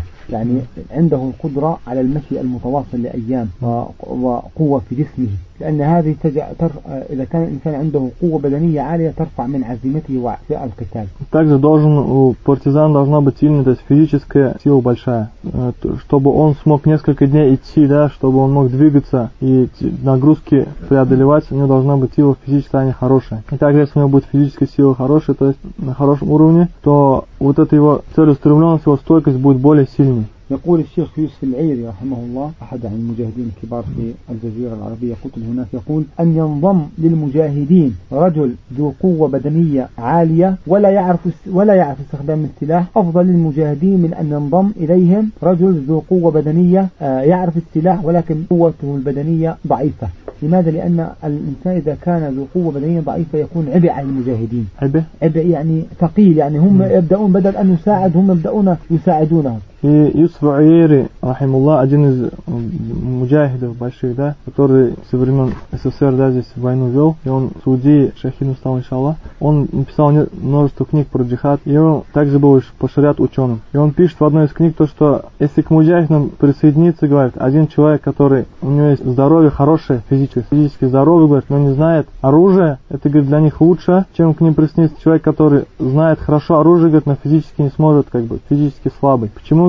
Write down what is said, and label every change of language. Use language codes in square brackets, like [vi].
[ar] يعني عنده القدرة على المشي المتواصل لأيام وقوة في جسمه لأن هذه إذا كان الإنسان عنده قوة بدنية عالية ترفع من عزيمته في القتال. [ru] также должен у партизан должна быть сильная, то есть физическая сила большая, чтобы он смог несколько дней идти, да, чтобы он мог двигаться и нагрузки преодолевать, у него должна быть сила физическая не хорошая. И также если у него будет физическая сила хорошая, то есть на хорошем уровне, то вот эта его целеустремленность, его стойкость будет более сильной. [ar] يقول الشيخ يوسف العيري رحمه الله أحد عن المجاهدين الكبار في الجزيرة العربية قتل هناك يقول أن ينضم للمجاهدين رجل ذو قوة بدنية عالية ولا يعرف استخدام السلاح أفضل للمجاهدين من أن ينضم إليهم رجل ذو قوة بدنية يعرف السلاح ولكن قوته البدنية ضعيفة لماذا؟ لأن الإنسان إذا كان ذو قوة بدنية ضعيفة يكون عبء على المجاهدين عبء يعني ثقيل يعني هم يبدأون بدل أن يساعد هم يبدأون يساعدونهم. [ru] И Юсуф Айри, рахимуллах, один из муджахидов больших, да, который со времен СССР, да, здесь войну вел, и он в Саудии шахидом стал, иншаллах. Он написал множество книг про джихад, и он также был по шариат ученым. И он пишет в одной из книг то, что если к муджахидам присоединиться, говорит, один человек, который, у него есть здоровье хорошее, физически здоровый, говорит, но не знает оружие, это, говорит, для них лучше, чем к ним присоединиться человек, который знает хорошо оружие, говорит, но физически не сможет, как бы, физически слабый. Почему?